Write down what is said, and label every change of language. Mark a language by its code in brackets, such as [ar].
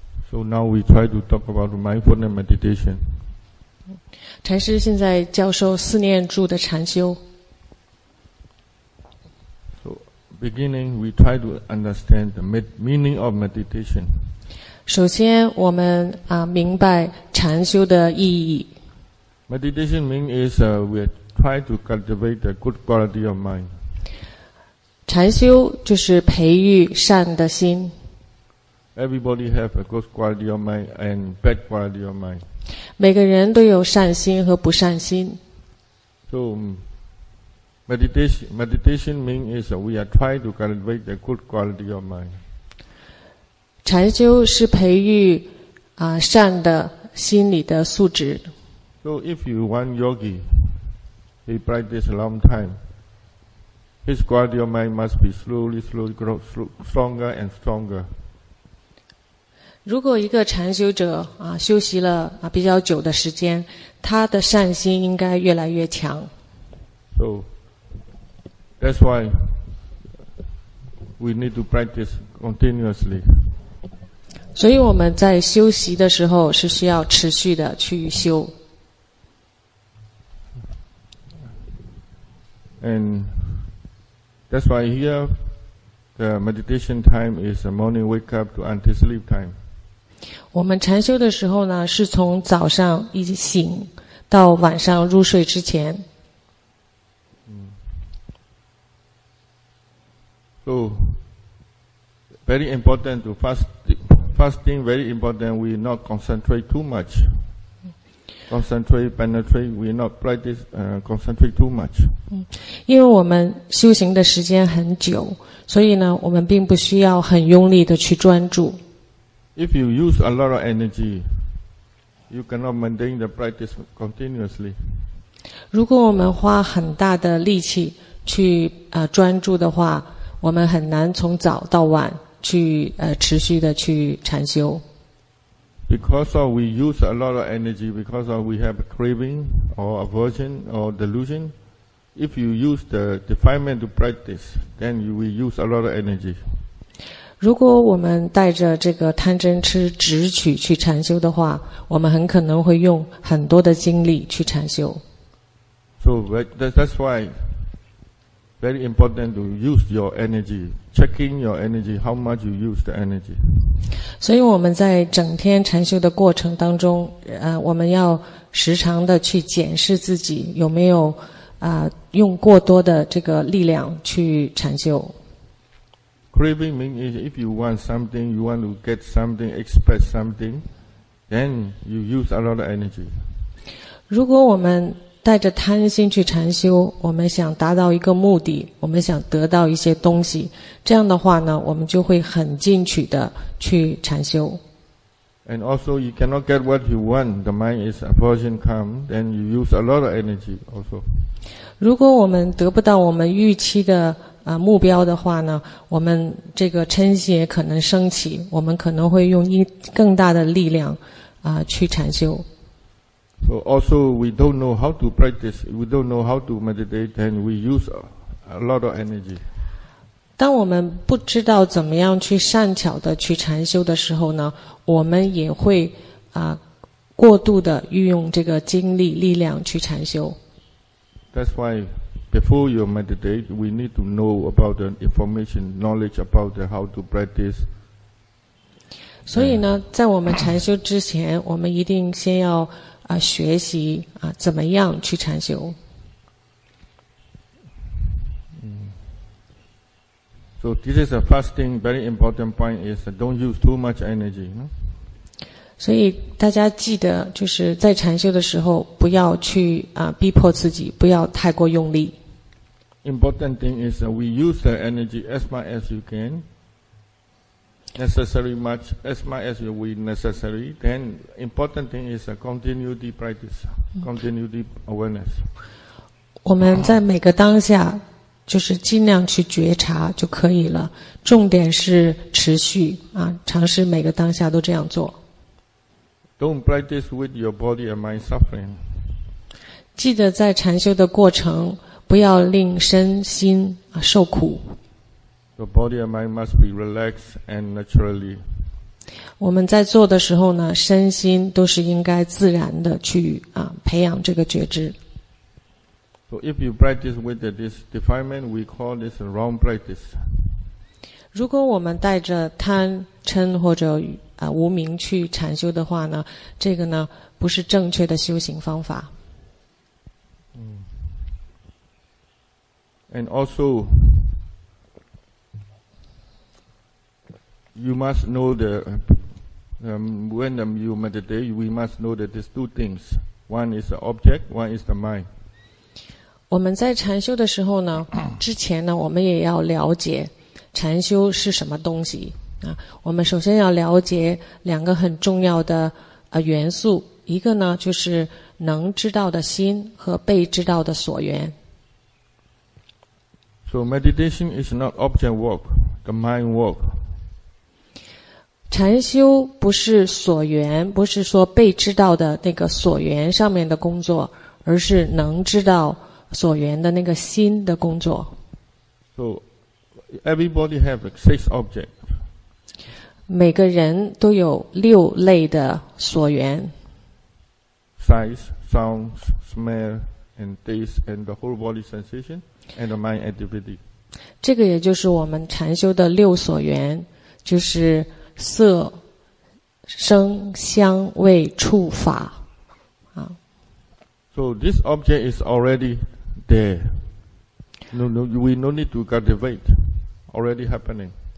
[en] So now we try to talk about mindfulness meditation. [zh] 禅师现在教授四念住的禅修。 [en] So, beginning, we try to understand the meaning of meditation. [zh] 首先我们明白禅修的意义。 [en] Meditation means is, we try to cultivate the good quality of mind. [zh] 禅修就是培育善的心。 [en] Everybody have a good quality of mind and bad quality of mind. [zh] 每个人都有善心和不善心。 [en] So, meditation means is we are trying to cultivate a good quality of mind. [zh] 禅修是培育善的心理的素质。 [en] So if you want yogi, he practice a long time, his quality of mind must be slowly grow stronger and stronger. [zh] 如果一个禅修者休息了比较久的时间，他的善心应该越来越强。 [en] So, that's why we need to practice continuously. [zh] 所以我们在休息的时候是需要持续的去修。 [en] And that's why here the meditation time is a morning wake up to until sleep time. [zh] 我们禅修的时候呢，是从早上一醒到晚上入睡之前。 [en] So, very important to fasting. Very important. We not concentrate too much. Concentrate, penetrate. We not practice. Concentrate too much. [zh] 因为我们修行的时间很久，所以呢，我们并不需要很用力的去专注。 [en] If you use a lot of energy, you cannot maintain the practice continuously. [zh] 如果我们花很大的力气去专注的话，我们很难从早到晚去持续的去禅修。 [en] Because of we use a lot of energy, because of we have craving or aversion or delusion, if you use the defilement to practice, then you will use a lot of energy. [zh] 如果我们带着这个贪嗔痴直取去禅修的话，我们很可能会用很多的精力去禅修。 [en] So that's why very important to use your energy, checking your energy, how much you use the energy. [zh] 所以我们在整天禅修的过程当中，我们要时常的去检视自己有没有用过多的这个力量去禅修。 [en] Craving means if you want something, you want to get something, express something, then you use a lot of energy. [zh] 如果我们带着贪心去禅修，我们想达到一个目的，我们想得到一些东西，这样的话呢，我们就会很进取的去禅修。 [en] And also, you cannot get what you want. The mind is aversion come, then you use a lot of energy also. [zh] 如果我们得不到我们预期的目标的话呢，我们这个嗔心也可能升起，我们可能会用更大的力量去禅修。 [en] So also we don't know how to practice, we don't know how to meditate, and we use a lot of energy. [zh] 当我们不知道怎么样去善巧的去禅修的时候呢，我们也会过度的运用这个精力力量去禅修。 [en] That's why. Before you meditate, we need to know about the information, knowledge about the how to practice. [zh] 所以呢，在我们禅修之前，我们一定先要学习怎么样去禅修。 [en] So this is a fasting very important point is don't use too much energy. No? [zh] 所以大家记得就是在禅修的时候不要去逼迫自己不要太过用力。 [en] Important thing is we use the energy as much as you can. Necessary much, as much as we necessary. Then important thing is continue deep practice, continue deep awareness. [zh] 我们在每个当下就是尽量去觉察就可以了。重点是持续啊，尝试每个当下都这样做。 [en] Don't practice with your body and mind suffering. [zh] 记得在禅修的过程，不要令身心啊受苦。 [en] The body and mind must be relaxed and naturally. [zh] 我们在做的时候呢，身心都是应该自然的去啊培养这个觉知。 [en] So if you practice with this defilement, we call this a wrong practice. [zh] 如果我们带着贪嗔或者无明去禅修的话呢，这个呢不是正确的修行方法。 [en] And also, you must know when you meditate, we must know that there's two things. One is the object, one is the mind. [zh] 我们在禅修的时候呢，之前呢，我们也要了解禅修是什么东西啊。我们首先要了解两个很重要的元素，一个呢就是能知道的心和被知道的所缘。 [en] So meditation is not object work, the mind work. [zh] 禅修不是所缘，不是说被知道的那个所缘上面的工作，而是能知道。所缘的那个心的工作。 [en] So, everybody have six objects. [zh] 每个人都有六类的所缘。 [en] Sight, sound, smell, and taste, and the whole body sensation, and the mind activity. [zh] 这个也就是我们禅修的六所缘，就是色、声、香、味、触、法。 [en] So this object is already. There. No, no, we no need to cultivate. Already happening.